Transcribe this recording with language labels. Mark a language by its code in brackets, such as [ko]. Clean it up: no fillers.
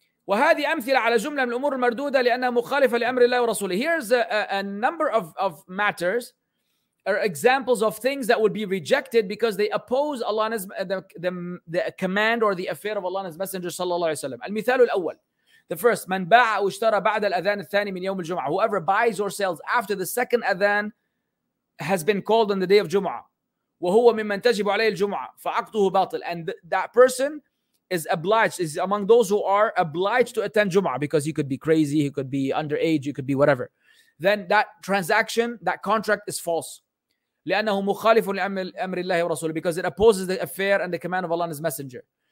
[ar] وهذه أمثلة على جملة من الأمور المردودة لأنها مخالفة لأمر الله ورسوله. [en] Here's a number of matters or examples of things that would be rejected because they oppose Allah's the command or the affair of Allah's Messenger [ar] صلى الله عليه وسلم. المثال الأول. [en] The first, [ar] من باع أو اشترى بعد الأذان الثاني من يوم الجمعة. [en] Whoever buys or sells after the second adhan has been called on the day of Jum'ah. [ar] وهو ممن تجب عليه الجمعة فعقده باطل. [en] And that person is obliged, is among those who are obliged to attend Jum'ah, because he could be crazy, he could be underage, he could be whatever. Then that transaction, that contract is false. [ar] لأنه مخالف لأمر الله ورسوله, [en] because it opposes the affair and the command of Allah and His Messenger.